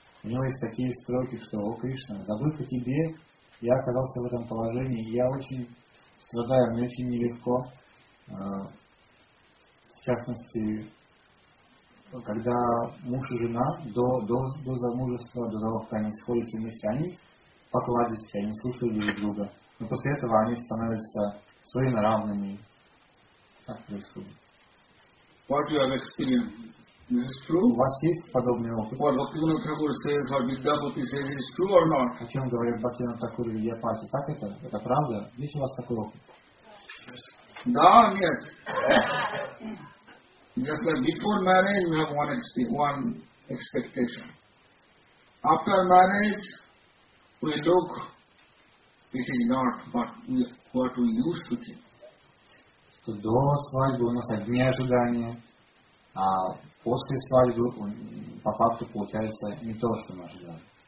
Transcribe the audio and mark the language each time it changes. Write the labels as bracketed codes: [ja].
[ru] У него есть такие строки, что «О Кришна, забыв о тебе, я оказался в этом положении, я очень страдаю, мне очень нелегко, в частности, когда муж и жена до замужества, до того, как они сходятся вместе, они покладистые, они слушают друг друга, но после этого они становятся своенравными». Так происходит. [en] What you have experienced? Is this true? [ru] У вас есть подобный опыт? [en] What Bhaktivinoda Thakur says, what Vidyapati says, is true or not? [ru] О чем говорит Бхактивинода Тхакур и Видьяпати? Так это? Это правда? Есть у вас такой опыт? Да, нет. [en] Just like before marriage, we have one expectation. After marriage, we look, it is not what we used to think. [ru] Что до свадьбы у нас одни ожидания, а после свадьбы по факту получается не то, что мы ожидали.